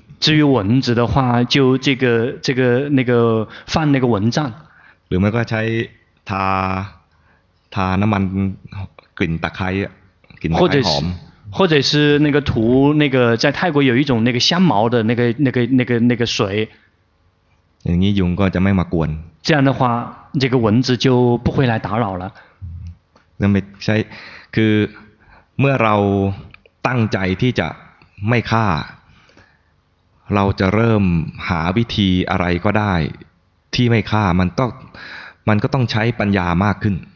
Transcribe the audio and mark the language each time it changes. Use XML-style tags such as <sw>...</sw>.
<zh>至于蚊子的话就这个那个放那个蚊帐</zh> <th>หรือไม่ก็ใช้ทาน้ำมันกลิ่นตะไคร้กลิ่นไม้หอม</th> <zh>或者是那个涂那个在泰国有一种那个香茅的那个水</zh> <th>อย่างนี้ยุงก็จะไม่มากวน</th> <zh>这样的话这个蚊子就不会来打扰了</zh> <th>นั่นไม่ใช่คือเมื่อเราตั้งใจที่จะไม่ฆ่าเราจะเริ่มหาวิธีอะไรก็ได้ที่ไม่ฆ่ามันก็ต้องใช้ปัญญามากขึ้น</th>